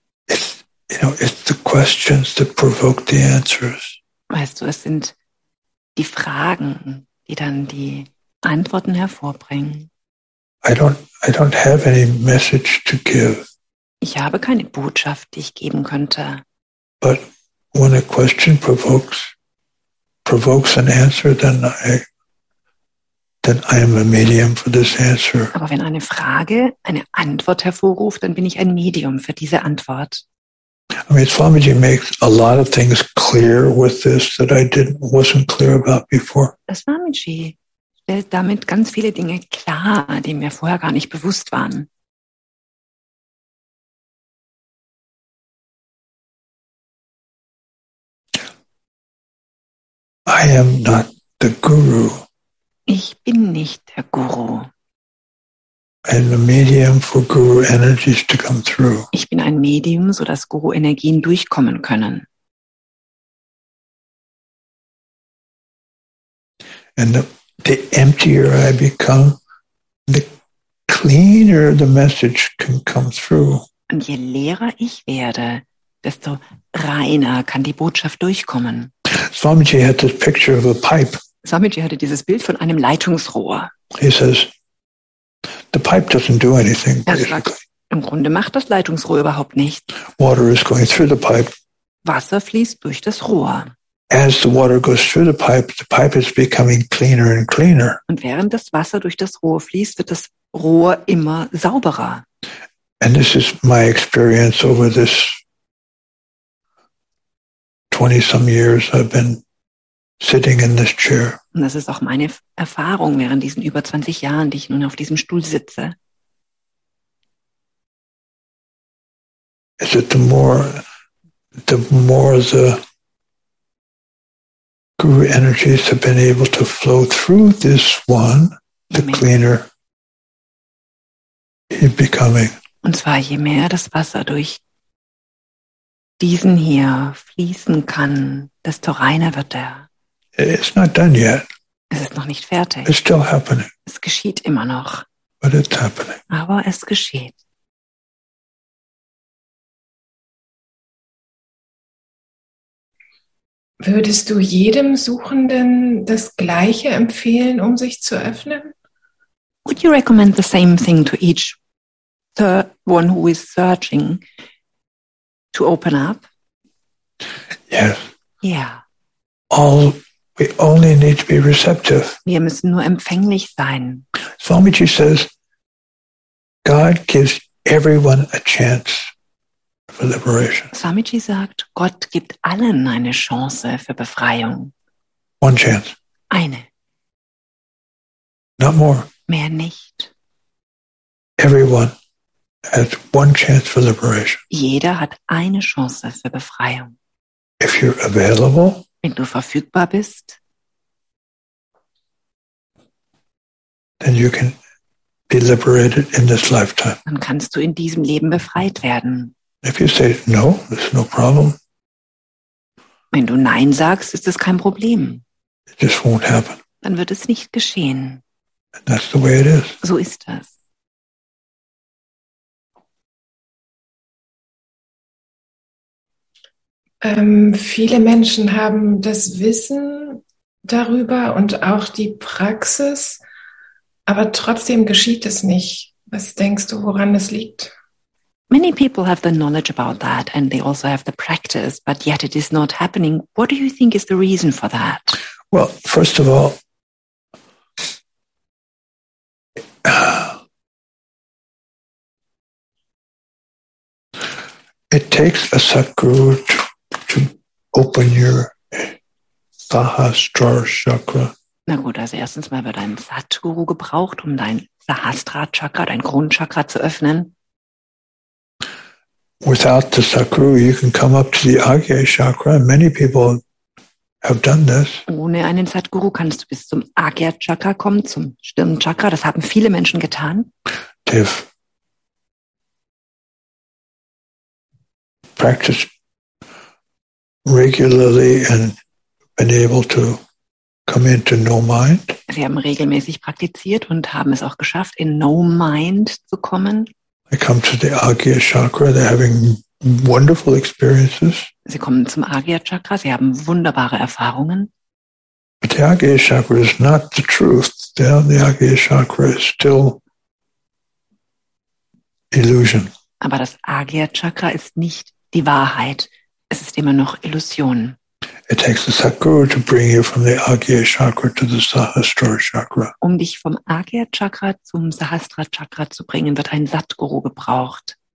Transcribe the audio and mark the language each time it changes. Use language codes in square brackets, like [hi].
[en] It's the questions that provoke the answers. [de] Weißt du, es sind die Fragen, die dann die Antworten hervorbringen. [en] I don't have any message to give. [de] Ich habe keine Botschaft, die ich geben könnte. [en] But when a question provokes an answer, then I am a medium for this answer. [de] Aber wenn eine Frage eine Antwort hervorruft, dann bin ich ein Medium für diese Antwort. [en] I mean, Swamiji makes a lot of things clear with this that I wasn't clear about before. [de] Swamiji stellt damit ganz viele Dinge klar, die mir vorher gar nicht bewusst waren. [en] I am not the guru. [de] Ich bin nicht der Guru. [en] And a medium for guru energies to come through. [de] Ich bin ein Medium, so dass Guru-Energien durchkommen können. [en] And the emptier I become, the cleaner the message can come through. [de] Und je leerer ich werde, desto reiner kann die Botschaft durchkommen. [en] Swamiji had this picture of a pipe. [de] Swamiji hatte dieses Bild von einem Leitungsrohr. [en] He says, the pipe doesn't do anything. [de] Sagt, im Grunde macht das Leitungsrohr überhaupt nichts. [en] Water is going through the pipe. [de] Wasser fließt durch das Rohr. [en] As the water goes through the pipe is becoming cleaner and cleaner. [de] Und während das Wasser durch das Rohr fließt, wird das Rohr immer sauberer. [en] And this is my experience over this 20 some years I've been sitting in this chair. [de] Und das ist auch meine Erfahrung während diesen über 20 Jahren, die ich nun auf diesem Stuhl sitze. [en] Is it the more the guru energies have been able to flow through this one, the cleaner it becoming. [de] Und zwar je mehr das Wasser durch diesen hier fließen kann, desto reiner wird er. [en] It's not done yet. [de] Es ist noch nicht fertig. [en] It's still happening. [de] Es geschieht immer noch. [en] But it's happening. [de] Aber es geschieht. Würdest du jedem Suchenden das Gleiche empfehlen, um sich zu öffnen? [en] Would you recommend the same thing to each, the one who is searching, to open up? Yes. Yeah. All, we only need to be receptive. [de] Wir müssen nur empfänglich sein. [en] Swamiji says, God gives everyone a chance. [de] Swamiji sagt, Gott gibt allen eine Chance für Befreiung. [en] One chance. [de] Eine. [en] Not more. [de] Mehr nicht. [en] Everyone has one chance for liberation. [de] Jeder hat eine Chance für Befreiung. [en] If you're available, [de] wenn du verfügbar bist, [en] then you can be liberated in this lifetime. [de] Dann kannst du in diesem Leben befreit werden. [en] If you say no, there's no problem. [de] Wenn du Nein sagst, ist es kein Problem. [en] It just won't happen. [de] Dann wird es nicht geschehen. [en] And that's the way it is. [de] So ist das. Viele Menschen haben das Wissen darüber und auch die Praxis, aber trotzdem geschieht es nicht. Was denkst du, woran es liegt? [en] Many people have the knowledge about that and they also have the practice, but yet it is not happening. What do you think is the reason for that? Well, first of all, it takes a sadhguru to open your Sahasrara chakra. [de] Na gut, also erstens mal wird ein Sadhguru gebraucht, um dein Sahasrara chakra, dein Grundchakra zu öffnen. [en] Without the Sadhguru, you can come up to the Ajna Chakra. Many people have done this. [de] Ohne einen Sadhguru kannst du bis zum Ajna Chakra kommen, zum Stirnchakra. Das haben viele Menschen getan. [en] They've practiced regularly and been able to come into no mind. [de] Sie haben regelmäßig praktiziert und haben es auch geschafft, in no mind zu kommen. [en] They come to the Ajna Chakra, they're having wonderful experiences. [de] Sie kommen zum Ajna Chakra, sie haben wunderbare Erfahrungen. [en] But the Ajna Chakra is not the truth. The Ajna Chakra is still illusion. [de] Aber das Ajna Chakra ist nicht die Wahrheit. Es ist immer noch Illusion. [en] It takes the Sadhguru to bring you from the Ajna Chakra to the Sahasrara Chakra. [de] Um dich vom Ajna Chakra zum Sahasrara Chakra zu bringen, wird ein Sadhguru gebraucht.